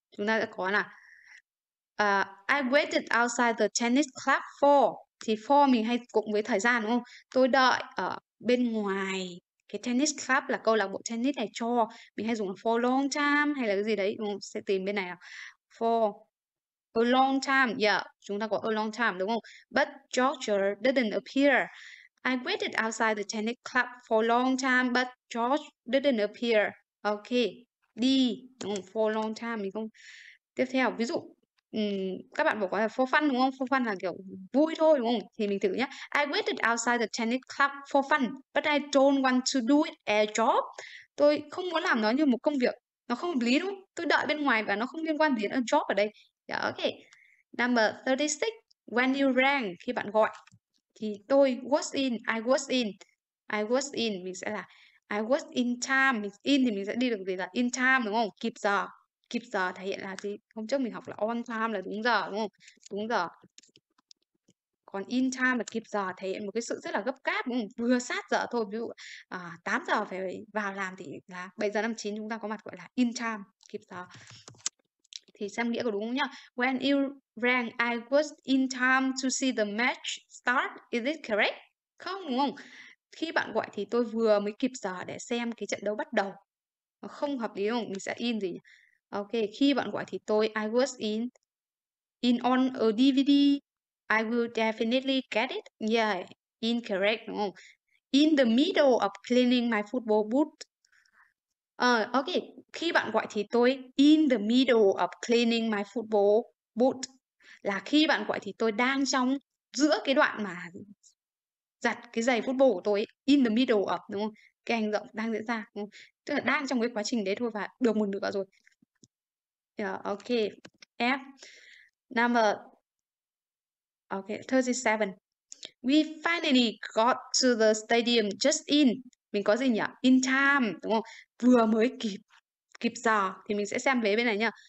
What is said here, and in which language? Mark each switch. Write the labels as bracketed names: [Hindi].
[Vietnamese] Chúng ta sẽ có là [English] I waited outside the tennis club for, [Vietnamese] thì for mình hay cộng với thời gian, đúng không? Tôi đợi ở bên ngoài cái tennis club, là câu lạc bộ tennis này, cho mình hay dùng là [English] for long time [Vietnamese] hay là cái gì đấy, đúng không? Sẽ tìm bên này là [English] for a long time. [Vietnamese] Chúng ta có a long time, đúng không? [English] But Georgia didn't appear. I waited outside the tennis club for long time, but George didn't appear. [Vietnamese] Ok, đi, đúng không? [English] For long time [Vietnamese] mình không. Tiếp theo, ví dụ các bạn bảo có là for fun, đúng không? For fun là kiểu vui thôi, đúng không? Thì mình thử nhé. [English] I waited outside the tennis club for fun, but I don't want to do it as a job. [Vietnamese] Tôi không muốn làm nó như một công việc, nó không hợp lý, đúng không? Tôi đợi bên ngoài và nó không liên quan gì đến job ở đây. Number 36. When you rang, khi bạn gọi, thì tôi was in, mình sẽ là [English] I was in time. [Vietnamese] In thì mình sẽ đi được gì là in time, đúng không? Kịp giờ. kịp giờ thể hiện là gì? Hôm trước mình học là on time là đúng giờ đúng không? Đúng giờ. Còn in time là kịp giờ thể hiện một cái sự rất là gấp gáp đúng không? Vừa sát giờ thôi. Ví dụ 8 giờ phải vào làm thì là 7 giờ 59 chúng ta có mặt gọi là in time, kịp giờ. Thì xem nghĩa có đúng không nhá? [English] When you rang, I was in time to see the match start. Is it correct? [Vietnamese] Không đúng không? Khi bạn gọi thì tôi vừa mới kịp giờ để xem cái trận đấu bắt đầu. Không hợp lý đúng không? Mình sẽ in gì nhỉ? Ok, khi bạn gọi thì tôi [English] I was in on a DVD. I will definitely get it. Yeah, incorrect [Vietnamese] đúng không? [English] In the middle of cleaning my football boot. Ok, [Vietnamese] khi bạn gọi thì tôi [English] in the middle of cleaning my football boot. [Vietnamese] Là khi bạn gọi thì tôi đang trong giữa cái đoạn mà giặt cái giày football của tôi, [English] in the middle of [Vietnamese] đúng không? Cái hành động đang diễn ra đúng không? Tức là đang trong cái quá trình đấy thôi và được một nửa rồi. [English] Ok. F. Number. Ok, 37. We finally got to the stadium just in. [Vietnamese] Mình có gì nhỉ? In time, đúng không? Vừa mới kịp kịp giờ thì mình sẽ xem vế bên này nhá.